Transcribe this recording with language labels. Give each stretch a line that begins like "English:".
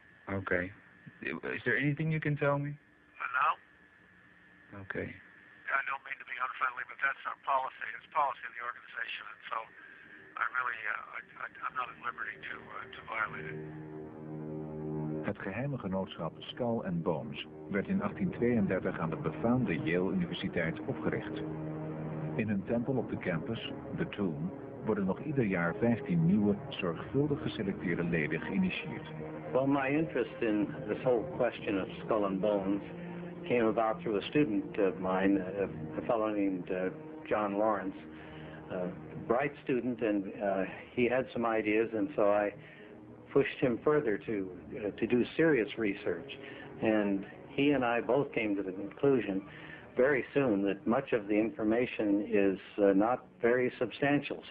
English: Okay. Is there anything you can tell me? No. Okay. I don't mean to be unfriendly, but that's our policy. It's policy of the organization, and so I really, I'm not at liberty to violate it.
Dutch: Het geheime genootschap Skull and Bones werd in 1832 aan de befaamde Yale Universiteit opgericht. In hun tempel op de campus, The Tomb, worden nog ieder jaar 15 nieuwe, zorgvuldig geselecteerde leden geïnitieerd.
English: Well, my interest in this whole question of Skull and Bones came about through a student of mine, a fellow named John Lawrence, a bright student, and he had some ideas, and so I pushed him further to do serious research, and he and I both came to the conclusion very soon that much of the information is not very substantial.